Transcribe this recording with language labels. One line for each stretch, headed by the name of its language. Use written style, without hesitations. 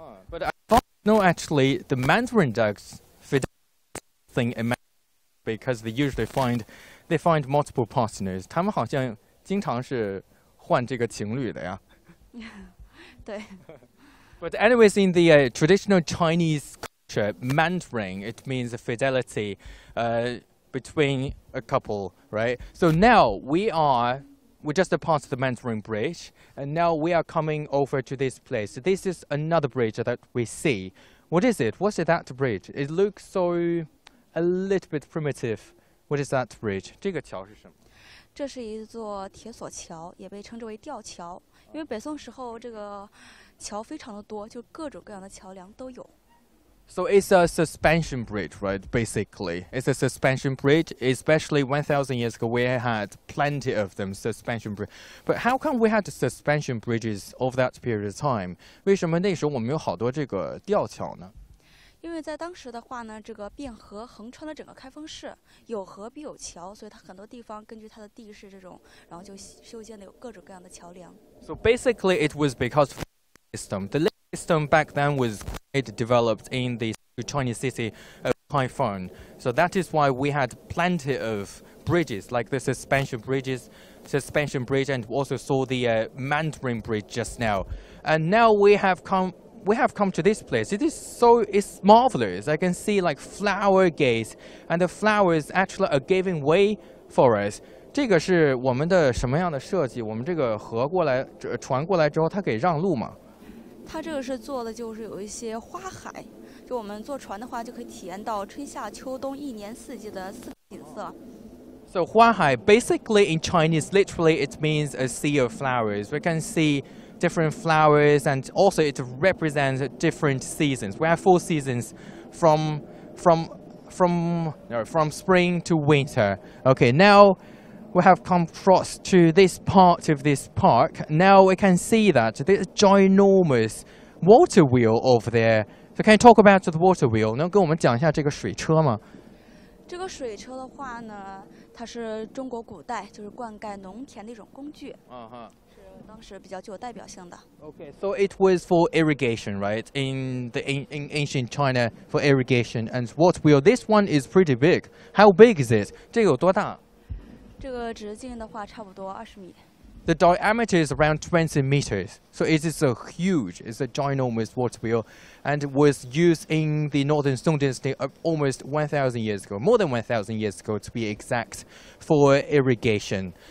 English: But I thought, no, actually, the Mandarin ducks fidelity thing in Mandarin because they usually find multiple partners.
Chinese: 他们好像经常是换这个情侣的呀。对。
English: But anyways, in the traditional Chinese culture, Mandarin, it means fidelity between a couple, right? So now we just passed the Mandarin Bridge, and now we are coming over to this place. This is another bridge that we see. What is it? What's that bridge? It looks so a little bit primitive. What is that bridge?
Chinese: 这个桥是什么？这是一座铁索桥，也被称之为吊桥。因为北宋时候这个桥非常的多，就各种各样的桥梁都有。
English: So it's a suspension bridge, right? Basically, it's a suspension bridge. Especially 1,000 years ago, we had plenty of them, suspension bridge. But how come we had suspension bridges of that period of time?
Chinese: 为什么那时候我们有好多这个吊桥呢？因为在当时的话呢，这个汴河横穿了整个开封市，有河必有桥，所以它很多地方根据它的地势这种，然后就修建了有各种各样的桥梁。
English: So basically, it was because of the system back then was quite developed in the Chinese city of Kaifeng. So that is why we had plenty of bridges, like the suspension bridge, and also saw the Mandarin Bridge just now. And now we have come to this place. It's marvelous. I can see like flower gates, and the flowers actually are giving way for us.
Chinese: 这个是我们的什么样的设计？我们这个河过来，船过来之后，它可以让路吗？它这个是做的，就是有一些花海，就我们坐船的话，就可以体验到春夏秋冬一年四季的四季景色。
English: So 花海 basically in Chinese literally it means a sea of flowers. We can see different flowers, and also it represents different seasons. We have four seasons, from spring to winter. Okay, now. We have come across to this part of this park. Now we can see that this ginormous water wheel over there. So can you talk about the water wheel?
Chinese: 能跟我们讲一下这个水车吗？这个水车的话呢，它是中国古代就是灌溉农田的一种工具。是当时比较具有代表性的。
English: Okay, so it was for irrigation, right? In ancient China for irrigation. And water wheel, this one is pretty big. How big is it?
Chinese: 这个有多大？这个直径的话差不多20米。
English: The diameter is around 20 meters, so it is a huge, it's a ginormous water wheel, and was used in the Northern Song Dynasty almost 1,000 years ago, more than 1,000 years ago to be exact, for irrigation.